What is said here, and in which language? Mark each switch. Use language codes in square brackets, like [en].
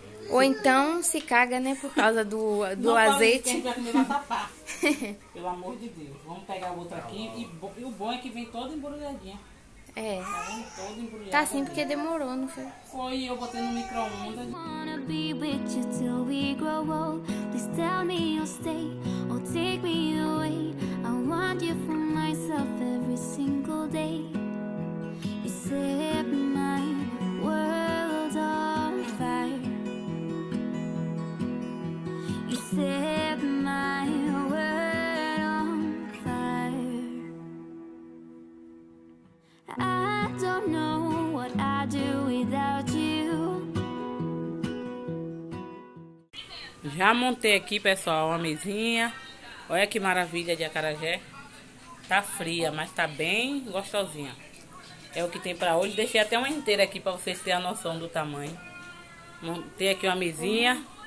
[pt] Ou então se caga, né? Por causa do não, azeite. Não, quem vai comer vai tapar. Pelo amor de Deus. Vamos pegar outro aqui. E o bom é que vem toda embrulhadinha. É. Toda embrulhada. Tá assim porque demorou, não foi? Foi, eu botei no micro-ondas. [en] Be with you till we grow old. Please tell me you'll stay or take me away. I want you for myself every single day. You set my world on fire. You set my world on fire. I don't know what I'd do without you. [pt] Já montei aqui, pessoal, uma mesinha. Olha que maravilha de acarajé. Tá fria, mas tá bem gostosinha. É o que tem pra hoje. Deixei até uma inteira aqui pra vocês terem a noção do tamanho. Montei aqui uma mesinha.